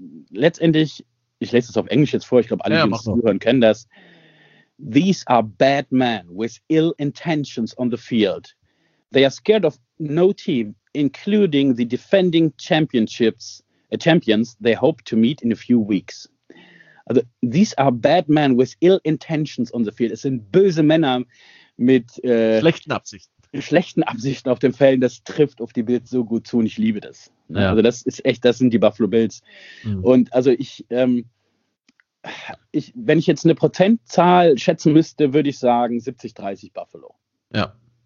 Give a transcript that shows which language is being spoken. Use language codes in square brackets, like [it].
[de] Letztendlich, ich lese das auf Englisch jetzt vor, ich glaube, alle, die uns zuhören, kennen das. [en] These are bad men with ill intentions on the field. They are scared of no team, including the defending championships. Champions they hope to meet in a few weeks. Also, these are bad men with ill intentions on the field. [de] Es sind böse Männer mit schlechten Absichten auf dem Feld. Das trifft auf die Bills so gut zu und ich liebe das. Ja. Also, das ist echt, das sind die Buffalo Bills. Mhm. Und also, wenn ich jetzt eine Prozentzahl schätzen müsste, würde ich sagen 70-30 Buffalo. Ja.